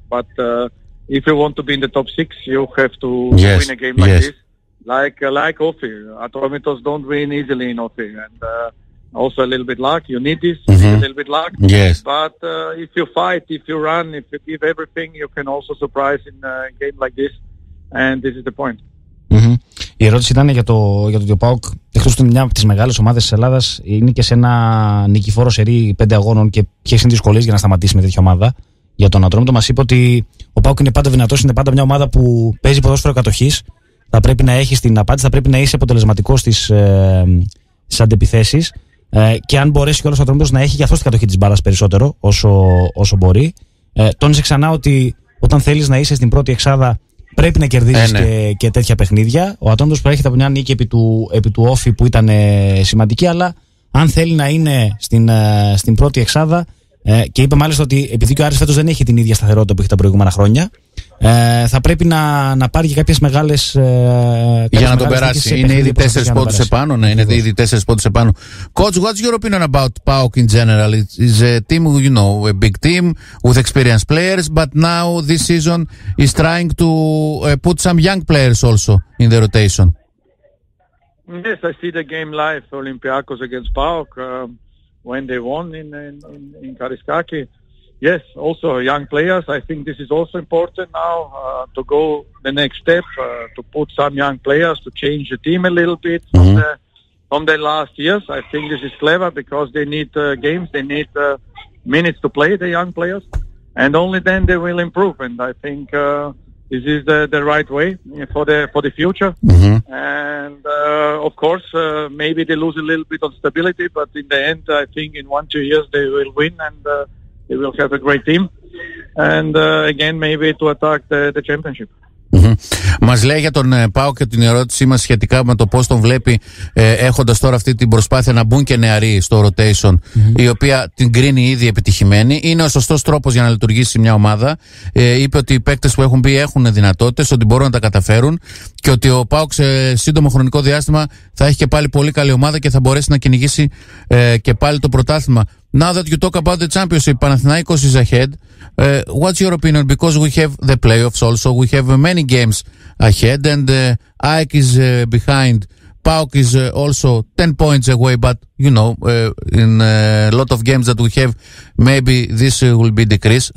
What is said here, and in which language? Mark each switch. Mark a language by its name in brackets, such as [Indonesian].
[English] But if you want to be in the top six, you have to win a game like this. Like Ofi. Atromitos don't win easily in Ofi. And also a little bit luck. You need this. A little bit luck. Yes. But if you fight, if you run, if you give everything, you can also surprise in a game like this. And this is the point. [Greek] Η ερώτηση ήταν για το ότι ο ΠΑΟΚ, εκτός ότι είναι μια από τις μεγάλες ομάδες της Ελλάδας, είναι και σε ένα νικηφόρο σερί 5 αγώνων και ποιες είναι οι δυσκολίες για να σταματήσει με τέτοια ομάδα. Για τον Ατρόμητο μας είπε ότι ο ΠΑΟΚ είναι πάντα δυνατός, είναι πάντα μια ομάδα που παίζει ποδόσφαιρο κατοχής. Θα πρέπει να έχεις την απάντηση, θα πρέπει να είσαι αποτελεσματικός στις αντεπιθέσεις. Και αν μπορέσει κιόλας ο Ατρόμητος να έχει γι' αυτό την κατοχή της μπάλας περισσότερο, όσο μπορεί. Τόνισε ξανά ότι όταν θέλεις να είσαι στην πρώτη εξάδα. Πρέπει να κερδίσει και τέτοια παιχνίδια. Ο Ατρόμητος προέρχεται από μια νίκη επί του Όφη που ήταν σημαντική, αλλά αν θέλει να είναι στην πρώτη εξάδα, και είπε μάλιστα ότι επειδή και ο Άρης φέτος δεν έχει την ίδια σταθερότητα που είχε τα προηγούμενα χρόνια, θα πρέπει να πάρει και κάποιες μεγάλες. Για να τον περάσει. Είναι ήδη 4 πόντους επάνω. Ναι, είναι ήδη 4 πόντους επάνω. [English] Coach, what's your opinion about PAOK in general? It's a team, you know, a big team with experienced players, but now this season is trying to put some young players also in the rotation. Yes, I see the game live, Olympiacos against PAOK, when they won in Kariskaki. Yes, also young players. I think this is also important now to go the next step, to put some young players, to change the team a little bit from the last years. I think this is clever because they need games, they need minutes to play, the young players, and only then they will improve. And I think this is the right way for the future. Mm-hmm. And of course, maybe they lose a little bit of stability, but in the end, I think in 1-2 years they will win and. They will have a great team and again maybe to attack the championship. [Greek] Μας λέει για τον ΠΑΟΚ και την ερώτησή μας σχετικά με το πώς τον βλέπει έχοντας τώρα αυτή την προσπάθεια να μπουν και νεαροί στο rotation, η οποία την κρίνει ήδη επιτυχημένη. Είναι ο σωστός τρόπος για να λειτουργήσει μια ομάδα. Είπε ότι οι παίκτες που έχουν μπει έχουν δυνατότητες, ότι μπορούν να τα καταφέρουν και ότι ο ΠΑΟΚ σε σύντομο χρονικό διάστημα θα έχει και πάλι πολύ καλή ομάδα και θα μπορέσει να κυνηγήσει και πάλι το πρωτάθλημα. [English] Now that you talk about the championship, Panathinaikos is ahead. What's your opinion? Because we have the playoffs also, we have many games ahead, and AEK is behind. PAOK is also 10 points away, but you know, in a lot of games that we have, maybe this will be decreased.